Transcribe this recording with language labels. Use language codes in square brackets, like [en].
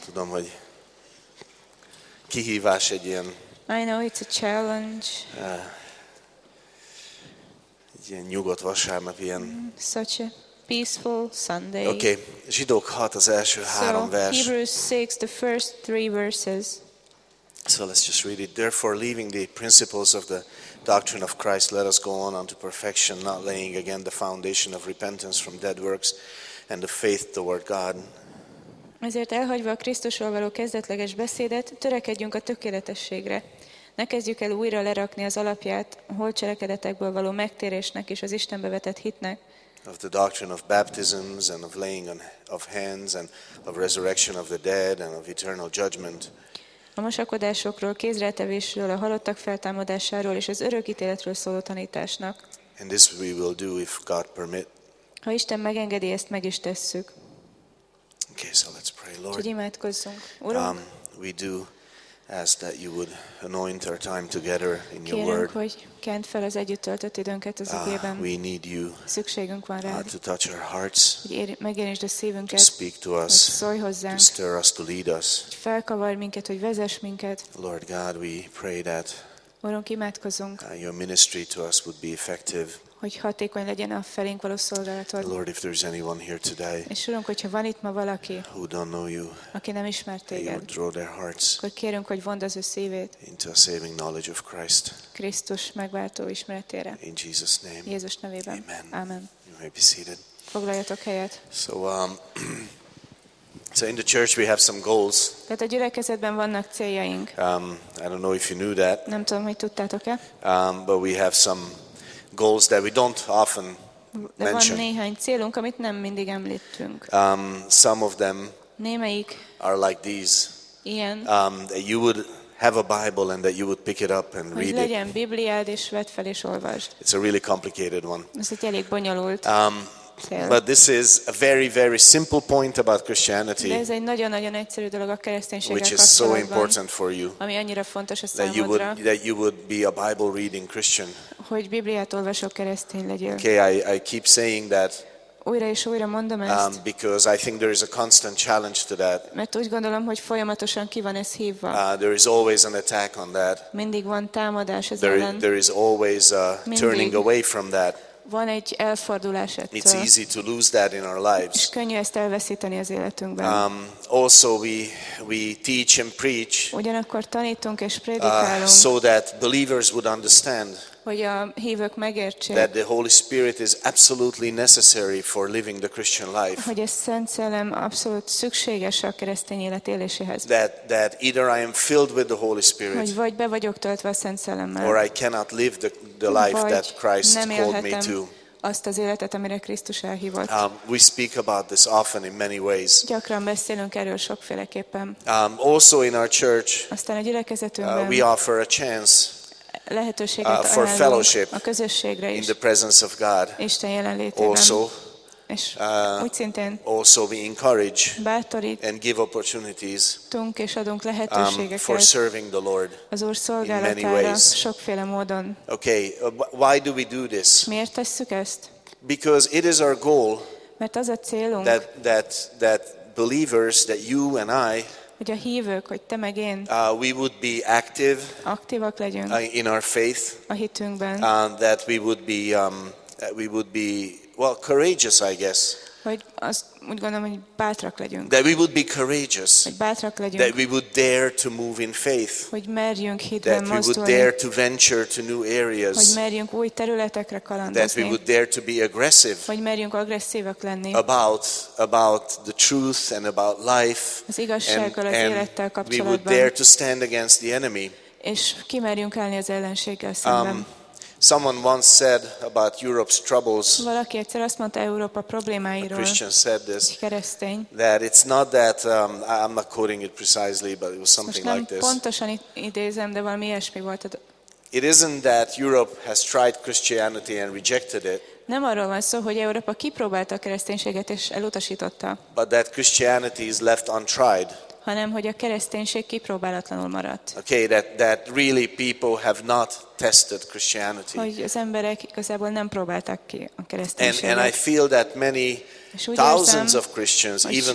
[hu] Tudom, hogy kihívás egy ilyen. [en] I know it's a challenge. [hu] Egy ilyen nyugodt vasárnap, ilyen. [en] Such a peaceful Sunday. [hu] Okay, Zsidók 6 az első három vers. [en] So Hebrews 6, the first three verses. So let's just read it. Therefore, leaving the principles of the doctrine of Christ, let us go on unto perfection, not laying again the foundation of repentance from dead works and of faith toward God. [hu] Ezért elhagyva a Krisztusról való kezdetleges beszédet, törekedjünk a tökéletességre. Ne kezdjük el újra lerakni az alapját a holtcselekedetekből való megtérésnek és az Istenbe vetett hitnek. [en] Of the doctrine of baptisms and of laying on of hands and of resurrection of the dead and of eternal judgment. [hu] A mosakodásokról, kézretevésről, a halottak feltámadásáról és az örök ítéletről szóló tanításnak. [en] And this we will do if God permit. [hu] Ha Isten megengedi, ezt meg is tesszük. [en] Okay, so let's pray, Lord. [hu] Imádkozzunk. Urunk, [en] we do ask that you would anoint our time together in your [hu] kérünk, [en] word. [hu] Hogy kent fel az együtt töltött időnket az igében. [en] We need you. [hu] Szükségünk van rád. [en] To touch our hearts. [hu] Megérintsd a szívünket. [en] To speak to us. [hu] Szólj hozzánk. [en] To stir us, to lead us. [hu] Felkavar minket, hogy vezess minket. [en] Lord God, we pray that. [hu] Urunk, imádkozunk. [en] Your ministry to us would be effective. [hu] Hogy hatékony legyen a felénk való szolgálatod. [en] Lord, if there's anyone here today, [hu] és Urunk, hogyha van itt ma valaki, [en] who don't know you, [hu] aki nem ismer téged, [en] draw their hearts, [hu] akkor kérünk, hogy vondd az ő szívét [en] into a saving knowledge of Christ, [hu] Krisztus megváltó ismeretére. [en] In Jesus name, [hu] Jézus nevében. Amen. Amen. [en] You may be seated. [hu] Foglaljatok helyet. [en] So, so in the church we have some goals. [hu] Tehát a gyülekezetben vannak céljaink. [en] I don't know if you knew that. [hu] Nem tudom, hogy tudtátok-e. [en] But we have some goals that we don't often mention. [hu] De van néhány célunk, amit nem mindig említünk. [en] Some of them [hu] némelyik [en] are like these. [hu] Ilyen. [en] That you would have a Bible and that you would pick it up and read [hu] it. Hogy legyen Bibliád, és vedd fel és olvasd. [en] It's a really complicated one. [hu] Ez egy elég bonyolult. [en] But this is a very, very simple point about Christianity. [hu] De ez egy nagyon-nagyon egyszerű dolog a kereszténységgel kapcsolatban. [en] Which is so important for you. [hu] Ami annyira fontos a számodra. [en] That you would be a Bible reading Christian. [hu] Hogy Bibliát olvasó keresztény legyél. [en] Okay, I keep saying that. [hu] Újra és újra mondom ezt. [en] Because I think there is a constant challenge to that. [hu] Mert úgy gondolom, hogy folyamatosan ki van ez hívva. [en] There is always an attack on that. [hu] Mindig van támadás ezen. [en] There is always a turning away from that. [hu] Van egy elfordulás ettől. [en] It's easy to lose that in our lives. [hu] És könnyű ezt elveszíteni az életünkben. [en] Also we teach and preach. [hu] Ugyanakkor tanítunk és prédikálunk. [en] So that believers would understand. [hu] Hogy a hívők megértsék. [en] That the Holy Spirit is absolutely necessary for living the Christian life. [hu] Hogy a Szent Szellem abszolút szükséges a keresztény élet éléséhez. [en] That either I am filled with the Holy Spirit. [hu] Hogy vagy be vagyok töltve a Szent Szellemmel. [en] Or I cannot live the life that Christ called me to. [hu] azt az életet, amire Krisztus elhívott. [en] We speak about this often in many ways. [hu] Gyakran beszélünk erről sokféleképpen. [en] Also in our church, [hu] aztán a gyülekezetünkben, [en] we offer a chance [hu] lehetőséget [en] for fellowship [hu] a közösségre is, [en] in the presence of God. [hu] Isten jelenlétében. [en] Also, [hu] és úgy szintén [en] also we encourage, [hu] bátorít, [en] and give opportunities, [hu] tunk és adunk lehetőségeket [en] for serving the Lord [hu] az Úr szolgálatára sokféle módon. [en] Okay, why do we do this? [hu] Miért tesszük ezt? [en] Because it is our goal, [hu] mert az a célunk, [en] that believers, that you and I, [hu] hogy a hívők, hogy te meg én, [en] we would be active, [hu] aktívak legyünk [en] in our faith, [hu] a hitünkben, [en] that we would be well, courageous, I guess. [hu] Hogy azt úgy gondolom, hogy bátrak legyünk. [en] That we would be courageous. [hu] Hogy bátrak legyünk. [en] That we would dare to move in faith. [hu] Hogy merjünk hitben mozdulni. [en] That we would dare to venture to new areas. [hu] Hogy merjünk új területekre kalandozni. [en] That we would dare to be aggressive. [hu] Hogy merjünk agresszívak lenni. [en] About the truth and about life. [hu] Az igazsággal, az élettel kapcsolatban. [en] We would dare to stand against the enemy. [hu] És kimerjünk állni az ellenséggel szemben. [en] Someone once said about Europe's troubles. [hu] Valaki egyszer azt mondta Európa problémáiról. [en] A Christian said this. [hu] Keresztény. [en] That it's not that I'm not quoting it precisely, but it was something like this. [hu] Most nem pontosan idézem, de valami ilyesmi volt. [en] It isn't that Europe has tried Christianity and rejected it. [hu] Nem arról van szó, hogy Európa kipróbálta a kereszténységet és elutasította. [en] But that Christianity is left untried. [hu] Hanem hogy a kereszténység kipróbálatlanul maradt. [en] Okay, that really people have not tested Christianity. [hu] Hogy az emberek igazából nem próbálták ki a kereszténységet. [en] And I feel that many thousands of Christians,